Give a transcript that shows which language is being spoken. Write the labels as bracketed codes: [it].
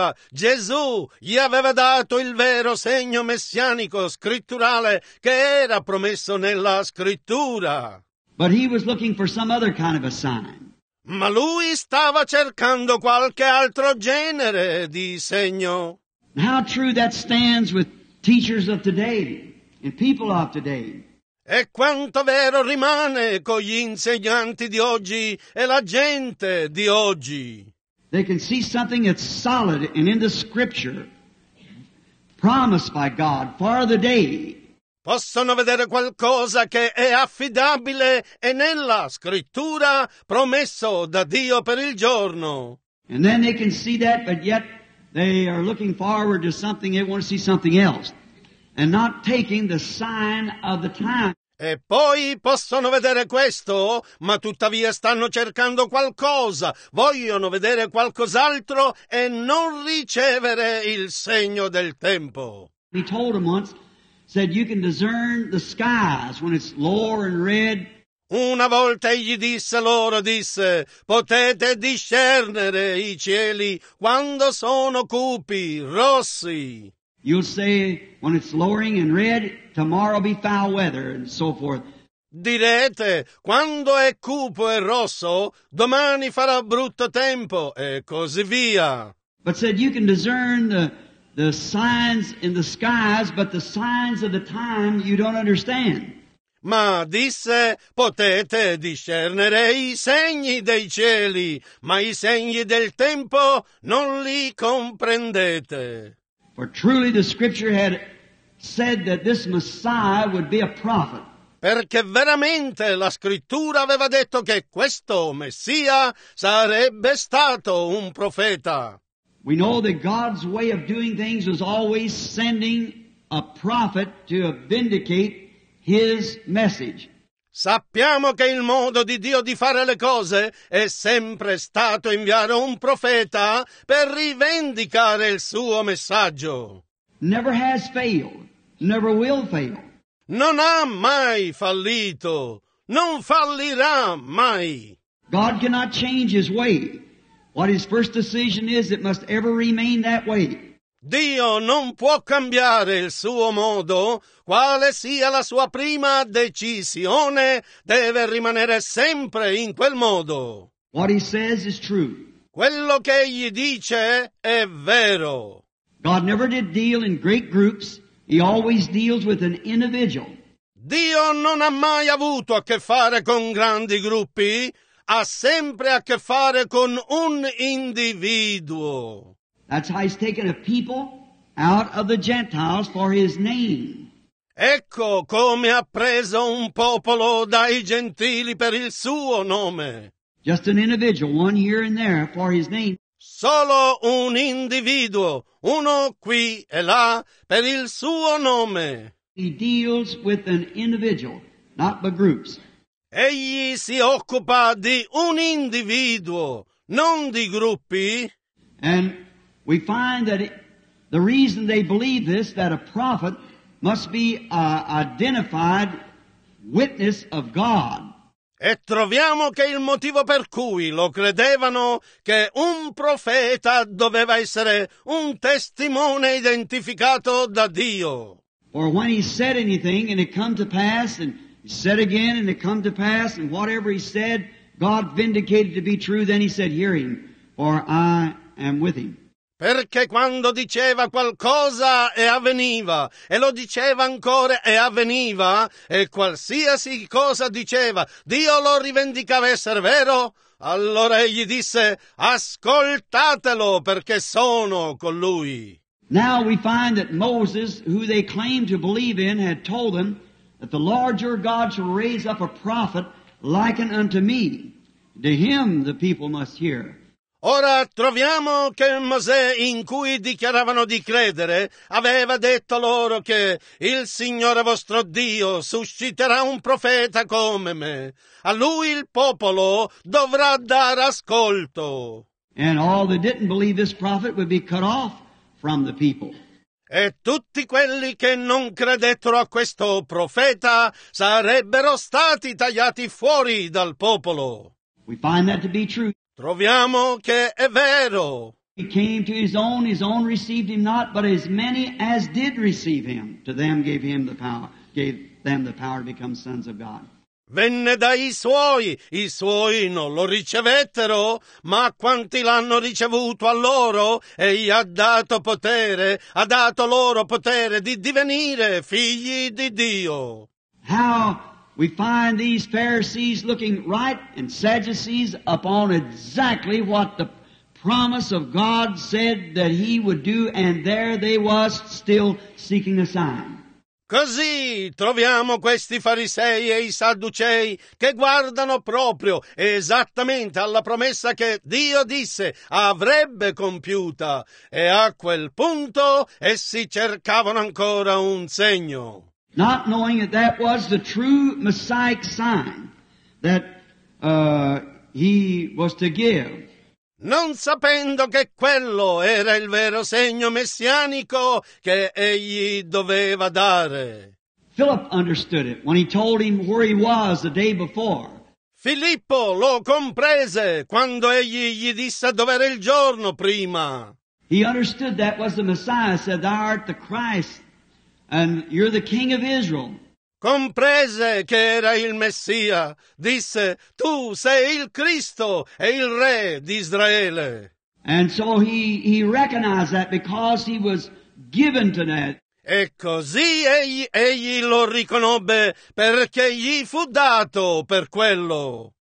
[it] Gesù gli aveva dato il vero segno messianico scritturale che era promesso nella scrittura. [en] But he was looking for some other kind of a sign. [it] Ma lui stava cercando qualche altro genere di segno. [en] How true that stands with teachers of today and people of today. [it] E quanto vero rimane con gli insegnanti di oggi e la gente di oggi. [en] They can see something that's solid and in the scripture promised by God for the day. [it] Possono vedere qualcosa che è affidabile e nella scrittura promesso da Dio per il giorno. [en] And then they can see that, but yet they are looking forward to something, they want to see something else, and not taking the sign of the time. [it] E poi possono vedere questo, ma tuttavia stanno cercando qualcosa, vogliono vedere qualcos'altro e non ricevere il segno del tempo. [en] He told them once, said you can discern the skies when it's lower and red. [it] Una volta egli disse loro, disse, potete discernere i cieli quando sono cupi, rossi. [en] You'll say, when it's lowering and red, tomorrow be foul weather, and so forth. [it] Direte, quando è cupo e rosso, domani farà brutto tempo, e così via. [en] But said, you can discern the signs in the skies, but the signs of the time you don't understand. [it] Ma disse, potete discernere i segni dei cieli, ma i segni del tempo non li comprendete. [en] For truly the scripture had said that this Messiah would be a prophet. [it] perché veramente la scrittura aveva detto che questo Messia sarebbe stato un profeta. [en] We know that God's way of doing things is always sending a prophet to vindicate his message. [it] Sappiamo che il modo di Dio di fare le cose è sempre stato inviare un profeta per rivendicare il suo messaggio. [en] Never has failed, never will fail. [it] Non ha mai fallito, non fallirà mai. [en] God cannot change his way. What his first decision is, it must ever remain that way. [it] Dio non può cambiare il suo modo. Quale sia la sua prima decisione, deve rimanere sempre in quel modo. [en] What he says is true. [it] Quello che egli dice è vero. [en] God never did deal in great groups. He always deals with an individual. [it] Dio non ha mai avuto a che fare con grandi gruppi. Ha sempre a che fare con un individuo. [en] That's how he's taken a people out of the Gentiles for his name. [it] Ecco come ha preso un popolo dai gentili per il suo nome. [en] Just an individual, one here and there for his name. [it] Solo un individuo, uno qui e là per il suo nome. [en] He deals with an individual, not by groups. [it] Egli si occupa di un individuo, non di gruppi. [en] And we find that the reason they believe this, that a prophet must be an identified witness of God. [it] E troviamo che il motivo per cui lo credevano che un profeta doveva essere un testimone identificato da Dio. [en] Or when he said anything and it come to pass and said again and it come to pass and whatever he said, God vindicated to be true, then he said, hear him, for I am with him. [it] Perché quando diceva qualcosa e avveniva, e lo diceva ancora e avveniva, e qualsiasi cosa diceva, Dio lo rivendicava essere vero, allora egli disse, ascoltatelo perché sono con lui. [en] Now we find that Moses, who they claimed to believe in, had told them that the Lord your God shall raise up a prophet likened unto me. To him the people must hear. [it] Ora troviamo che Mosè, in cui dichiaravano di credere, aveva detto loro che il Signore vostro Dio susciterà un profeta come me. A lui il popolo dovrà dar ascolto. [en] And all that didn't believe this prophet would be cut off from the people. [it] E tutti quelli che non credettero a questo profeta sarebbero stati tagliati fuori dal popolo. [en] We find that to be true. [it] Troviamo che è vero. [en] He came to his own received him not, but as many as did receive him, to them gave him the power, gave them the power to become sons of God. [it] Venne dai suoi, i suoi non lo ricevettero, ma quanti l'hanno ricevuto a loro, egli ha dato loro potere di divenire figli di Dio. [en] How we find these Pharisees looking right and Sadducees upon exactly what the promise of God said that he would do, and there they was still seeking a sign. [it] Così troviamo questi farisei e i sadducei che guardano proprio esattamente alla promessa che Dio disse avrebbe compiuta, e a quel punto essi cercavano ancora un segno. [en] Not knowing that that was the true Messiah sign that he was to give. [it] Non sapendo che quello era il vero segno messianico che egli doveva dare. [en] Philip understood it when he told him where he was the day before. [it] Filippo lo comprese quando egli gli disse dove era il giorno prima. [en] He understood that was the Messiah, said, thou art the Christ, and you're the King of Israel. [it] Comprese che era il Messia, disse, tu sei il Cristo e il Re di Israele. [en] And so he recognized that because he was given to that. [it] E così egli lo riconobbe perché gli fu dato per quello.